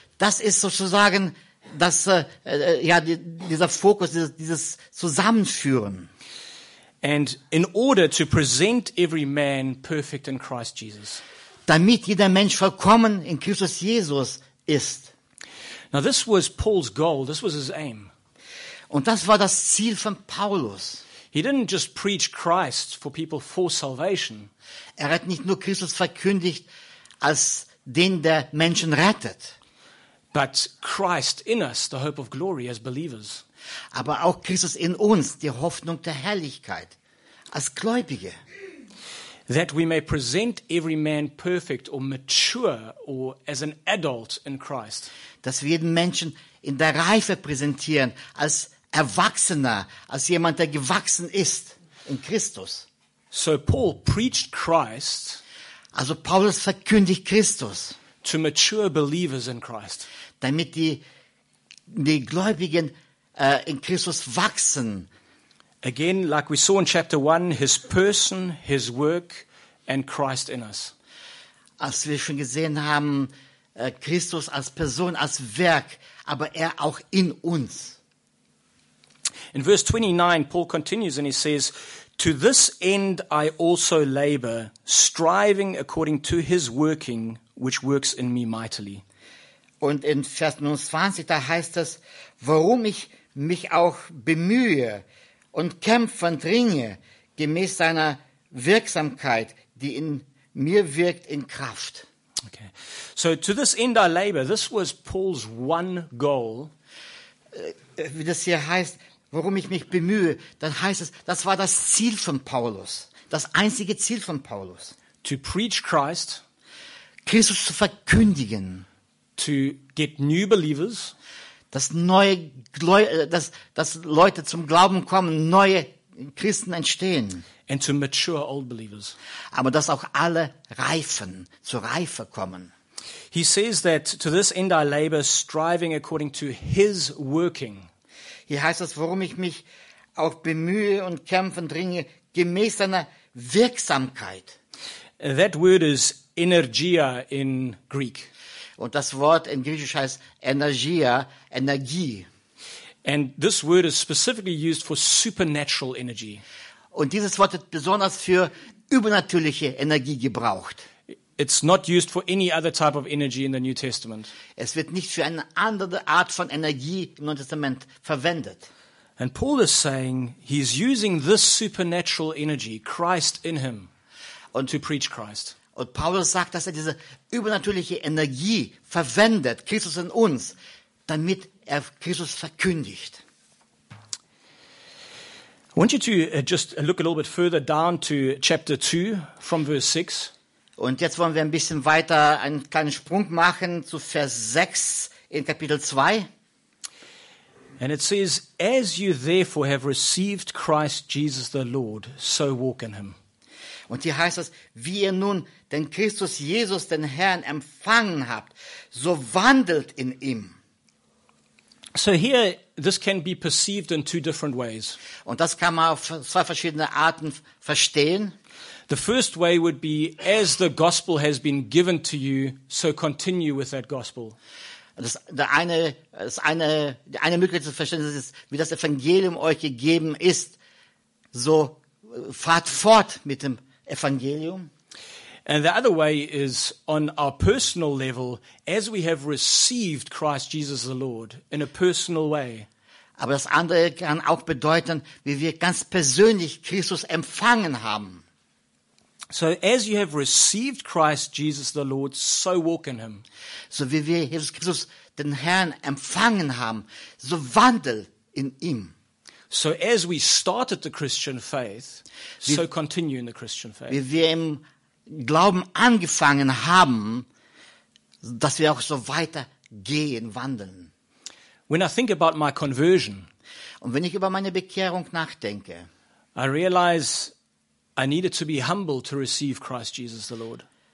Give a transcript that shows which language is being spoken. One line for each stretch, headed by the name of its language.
German: Das ist sozusagen das, dieser Fokus, dieses Zusammenführen.
English: And in order to present every man perfect in Christ Jesus.
German: Damit jeder Mensch vollkommen in Christus Jesus ist.
English: Now this was Paul's goal, this was his aim.
German: Und das war das Ziel von Paulus.
English: He didn't just preach Christ for people for salvation.
German: Er hat nicht nur Christus verkündigt als den, der Menschen rettet.
English: But Christ in us, the hope of glory as believers.
German: Aber auch Christus in uns, die Hoffnung der Herrlichkeit als Gläubige.
English: That we may present every man perfect or mature or as an adult in Christ.
German: Dass wir jeden Menschen in der Reife präsentieren, als Erwachsener, als jemand, der gewachsen ist in Christus.
English: So Paul preached Christ.
German: Also Paulus verkündigt Christus.
English: To mature believers in Christ.
German: Damit die Gläubigen in Christus wachsen.
English: Again, like we saw in chapter 1, his person, his work, and Christ in us.
German: Als wir schon gesehen haben, Christus als Person, als Werk, aber er auch in uns.
English: In verse 29, Paul continues and he says, to this end I also labor, striving according to his working, which works in me mightily.
German: Und in Vers 29, da heißt es, warum ich mich auch bemühe, und kämpfe und ringe gemäß seiner Wirksamkeit, die in mir wirkt in Kraft.
English: Okay. So to this end I labor. This was Paul's one goal.
German: Wie das hier heißt, warum ich mich bemühe, dann heißt es, das war das Ziel von Paulus. Das einzige Ziel von Paulus.
English: To preach Christ.
German: Christus zu verkündigen.
English: To get new believers.
German: Dass Leute zum Glauben kommen, neue Christen entstehen.
English: And to mature old believers.
German: Aber dass auch alle reifen, zur Reife kommen.
English: He says that to this end I labor, striving according to his working.
German: Hier heißt es, worum ich mich auch bemühe und kämpfe und dringe, gemäß seiner Wirksamkeit.
English: That word is energia in Greek.
German: Und das Wort in Griechisch heißt energia, Energie.
English: And this word is specifically used for supernatural energy.
German: Und dieses Wort wird besonders für übernatürliche Energie gebraucht.
English: It's not used for any other type of energy in the New Testament.
German: Es wird nicht für eine andere Art von Energie im Neuen Testament verwendet.
English: And Paul is saying he's using this supernatural energy, Christ in him,
German: und
English: to preach Christ.
German: Und Paulus sagt, dass er diese übernatürliche Energie verwendet, Christus in uns, damit er Christus verkündigt.
English: I want you to just look a little bit further down to chapter 2 from verse 6.
German: Und jetzt wollen wir ein bisschen weiter einen kleinen Sprung machen zu Vers 6 in Kapitel 2.
English: And it says, as you therefore have received Christ Jesus the Lord, so walk in him.
German: Und hier heißt es, wie ihr nun den Christus Jesus, den Herrn, empfangen habt, so wandelt in ihm.
English: So here, this can be perceived in two different ways.
German: Und das kann man auf zwei verschiedene Arten verstehen.
English: The first way would be, as the gospel has been given to you, so continue with that gospel.
German: Die eine Möglichkeit zu verstehen ist, wie das Evangelium euch gegeben ist, so fahrt fort mit dem Evangelium.
English: And the other way is on our personal level, as we have received Christ Jesus the Lord in a personal way.
German: Aber das andere kann auch bedeuten, wie wir ganz persönlich Christus empfangen haben.
English: So as you have received Christ Jesus the Lord, so walk in him.
German: So wie wir Jesus Christus den Herrn empfangen haben, so wandel in ihm.
English: So as we started the Christian faith, so continue in the Christian faith.
German: Wie wir im Glauben angefangen haben, dass wir auch so weiter gehen, wandeln.
English: When I think about my conversion,
German: und wenn ich über meine Bekehrung nachdenke,
English: I realize I needed to be humble to receive Christ Jesus the Lord.